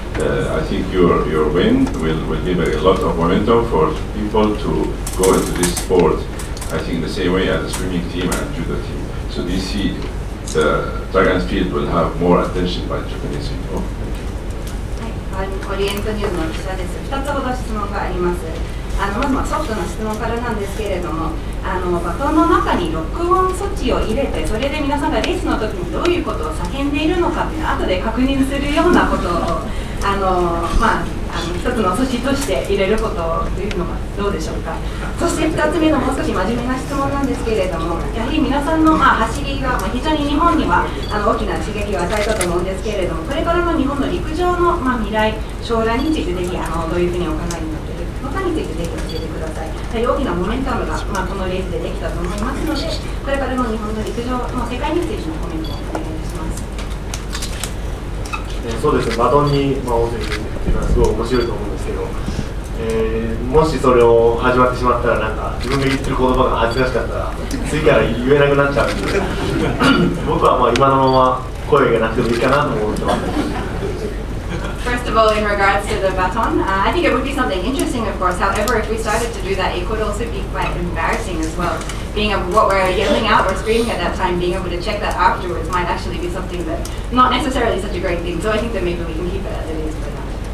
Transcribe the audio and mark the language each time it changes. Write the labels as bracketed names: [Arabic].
[English] I think your win will give a lot of momentum for people to go into this sport, I think the same way as the swimming team and judo team. So do you see the track and field will have more attention by Japanese people? Thank you. Hi, I'm Oriento News [Japanese] の記者です。 2つほど質問があります。まずソフトな質問からなんですけれども、バトンの中に録音措置を入れて、それで皆さんがレースの時にどういうことを叫んでいるのかっていうのを後で確認するようなことを、一つの措置として入れることというのはどうでしょうか。そして2つ目のもう少し真面目な質問なんですけれども、やはり皆さんの走りが非常に日本には大きな刺激を与えたと思うんですけれども、これからの日本の陸上の未来、将来について、ぜひどういうふうにお考えになっているのかについて、ぜひ教えてください。大きなモメンタムが、このレースでできたと思いますので、これからの日本の陸上の世界についてのコメントをお願いします。そうですね、バトンに大関っていうのはすごい面白いと思うんですけど、もしそれを始まってしまったら、なんか自分が言ってる言葉が恥ずかしかったら次から言えなくなっちゃうんで僕は今のまま声がなくてもいいかなと思ってます。 [English] First of all, in regards to the baton, I think it would be something interesting, of course. However, if we started to do that, it could also be quite embarrassing as well. Being able, what we're yelling out or screaming at that time, being able to check that afterwards might actually be something that not necessarily such a great thing. So I think that maybe we can keep it as it is for now.